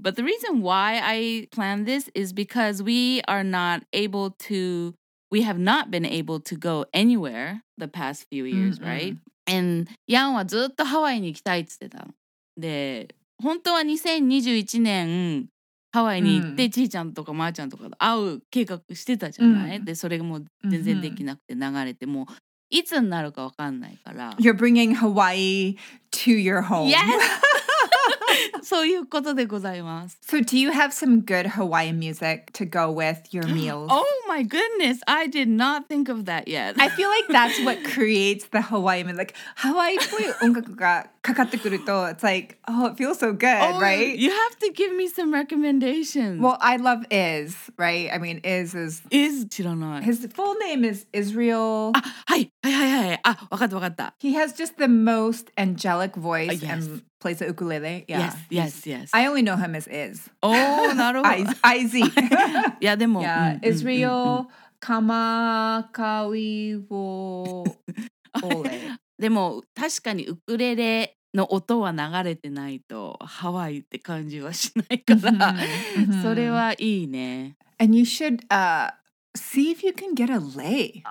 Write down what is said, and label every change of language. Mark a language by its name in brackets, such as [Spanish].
[English] But the reason why I planned this is because we are not able to, we have not been able to go anywhere the past few years,、mm-hmm. [Japanese] right? And Yan はずっとハワイに行きたいって言ってたの。で、本当は2021年ハワイに行って、うん、ちーちゃんとかまーちゃんとかと会う計画してたじゃない、うん、で、それがもう全然できなくて流れて、うん、もういつになるかわかんないから。 [English] You're bringing Hawaii to your home. Yes! [Japanese] そういうことでございます。 [English] So do you have some good Hawaiian music to go with your meals? Oh my goodness, I did not think of that yet. I feel like that's what creates the Hawaiian music. Like, Hawaii [Japanese] っぽい音楽がかかってくると、 [English] it's like, oh, it feels so good, oh, right? You have to give me some recommendations. Well, I love Iz, right? I mean, Iz is... [Japanese] Iz? 知らない。 [English] His full name is Israel. [Japanese] はい。あ、わかったわかった。 [English] He has just the most angelic voice、 yes. and... Plays the ukulele, yeah. Yes. I only know him as Iz. [Japanese] Oh, なるほど。 [English] Iz. [Japanese] Yeah, でも。 [English] Yeah, Israel Kamakawiwo Ole. [Japanese] でも、確かにウクレレの音は流れてないと、ハワイって感じはしないから、それはいいね。 [English] And you should see if you can get a lei.